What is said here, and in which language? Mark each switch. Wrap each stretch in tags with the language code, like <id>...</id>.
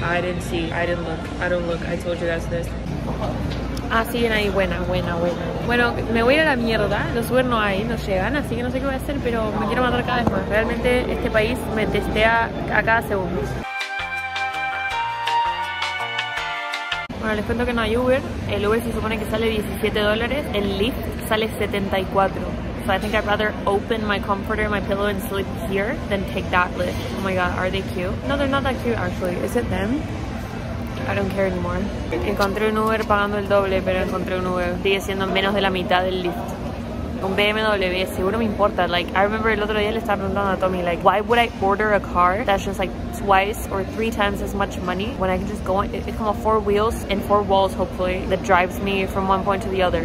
<en>I didn't see, I didn't look, I don't look, I told you guys this.</en> <es>Ah, siguen ahí, buena. Bueno, me voy a ir a la mierda, los Uber no hay, no llegan, así que no sé qué voy a hacer, pero me quiero matar cada vez más. Realmente este país me testea a cada segundo. Bueno, les cuento que no hay Uber. El Uber se supone que sale $17. El Lyft sale $74.</es> <en>So I think I'd rather open my comforter, my pillow, and sleep here than take that Lyft. Oh my god, are they cute? No, they're not that cute, actually. Is it them? I don't care anymore.</en> <es>Encontré un Uber pagando el doble, pero encontré un Uber. Sigue siendo menos de la mitad del Lyft. Un BMW, seguro me importa.</es> <en>Like, I remember</en> <es>el otro día le estaba preguntando a</es> <en>Tommy, like, why would I order a car that's just like twice or three times as much money when I can just go on, it's como four wheels and four walls, hopefully, that drives me from one point to the other.</en>